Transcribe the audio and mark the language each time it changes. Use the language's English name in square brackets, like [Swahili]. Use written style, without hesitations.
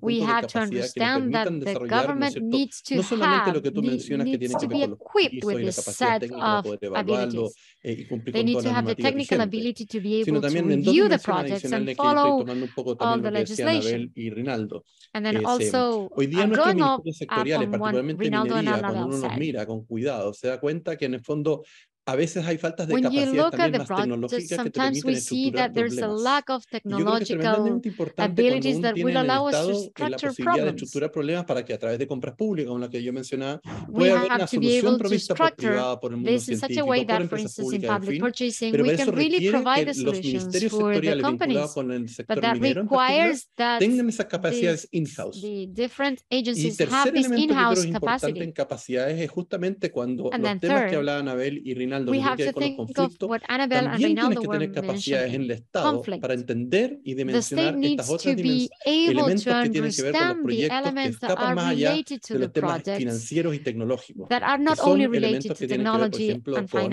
[English] We have to understand that the government needs to be equipped with this set of abilities. They need to have the technical ability to be able to review the projects and follow all the legislation. And then also, I'm going off on what Rinaldo and Anabel said. [Spanish] A veces hay faltas de capacidad también más tecnológica que te permiten estructurar problemas. [English] Sometimes we see that there's a lack of technological abilities that will allow us to structure problems. [Spanish] De estructurar problemas para que a través de compras públicas, como la que yo mencionaba, pueda haber una solución provista por privada, por el mundo científico, por empresas públicas, en fin. Pero eso requiere que los ministerios sectoriales vinculados con el sector minero en particular tengan esas capacidades in-house. [English] The different agencies have this in-house capacity. [Spanish] Y tercer elemento que creo es importante en capacidades es justamente cuando los temas que hablaban Abel y Rinaldo, que son necesarias para llevar un acuerdo y un proceso relativamente eficiente, logrando de alguna manera esta capacidad en estos tres niveles y estos tres ámbitos.